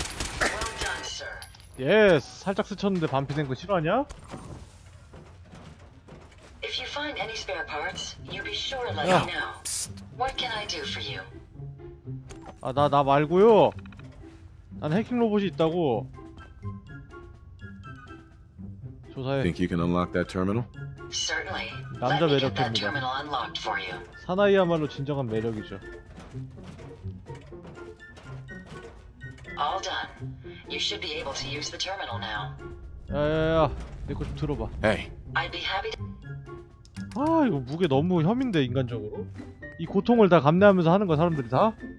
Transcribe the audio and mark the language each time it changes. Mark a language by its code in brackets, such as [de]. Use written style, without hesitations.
[ko] 예스! 살짝 스쳤는데 반피 된 거 싫어하냐? [en] If you find any spare parts, you be sure to let me know. What can I do for you? [ko] 아, 나 말고요. 난 해킹 로봇이 있다고. 조사해. [en] Think you can unlock that terminal? Certainly. [ko] 남자 매력입니다. 사나이야말로 진정한 매력이죠. [en] All done. You should be able to use the terminal now. [ko] 야, 내 거 좀 들어봐. [en] Hey. I'd be happy. [ko] 아, 이거 무게 너무 혐인데 인간적으로. 이 고통을 다 감내하면서 하는 거 사람들이 다?